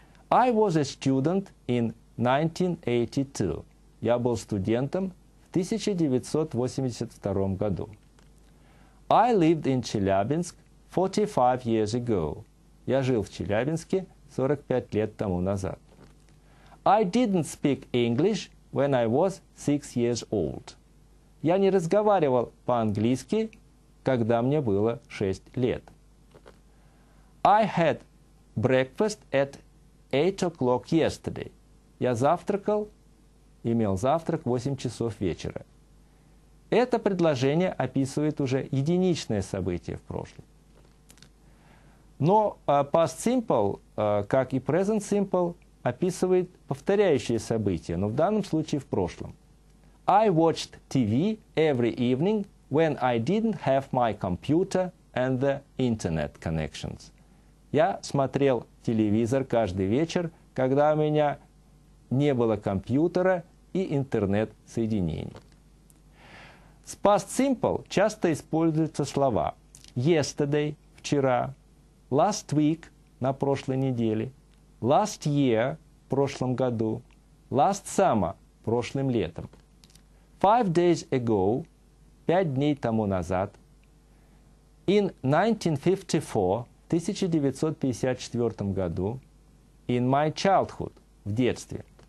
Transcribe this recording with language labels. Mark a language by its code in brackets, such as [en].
[en] I was a student in 1982. [ru] Я был студентом в 1982 году. [en] I lived in Chelyabinsk 45 years ago. [ru] Я жил в Челябинске 45 лет тому назад. [en] I didn't speak English when I was 6 years old. [ru] Я не разговаривал по-английски, когда мне было 6 лет. [en] I had breakfast at 8 o'clock yesterday. [ru] Я завтракал, имел завтрак в 8 часов вечера. Это предложение описывает уже единичное событие в прошлом. Но past simple, как и present simple, описывает повторяющие события, но в данном случае в прошлом. [en] I watched TV every evening when I didn't have my computer and the internet connections. [ru] Я смотрел телевизор каждый вечер, когда у меня не было компьютера и интернет-соединений. С past simple часто используются слова yesterday, вчера, [en] last week [ru] – на прошлой неделе, [en] last year [ru] – в прошлом году, [en] last summer [ru] – прошлым летом, [en] 5 days ago [ru] – 5 дней тому назад, [en] in 1954 [ru] – в 1954 году, [en] in my childhood [ru] – в детстве.